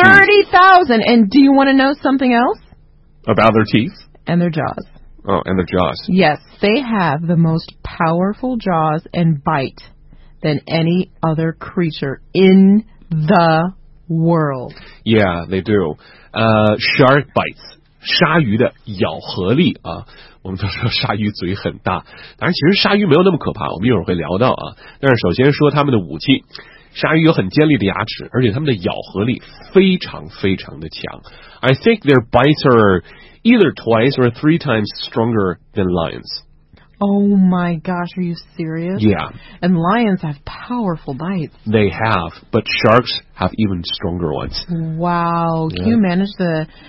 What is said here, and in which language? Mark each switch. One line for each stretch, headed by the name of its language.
English: 30,000. And do you want to know something else? About their teeth? And their jaws. Oh, and their jaws. Yes, they have the most powerful jaws and bite than any other creature in the world. Yeah, they do. Shark bites.
Chinese: 鲨鱼的咬合力啊，我们都说鲨鱼嘴很大，当然其实鲨鱼没有那么可怕，我们一会儿会聊到啊。但是首先说他们的武器，鲨鱼有很尖利的牙齿，而且他们的咬合力非常非常的强。
English: I think their bites are either twice or three times stronger than lions. Oh my gosh, are you serious? Yeah. And lions have powerful bites. They have, but sharks have even stronger ones. Wow, yeah.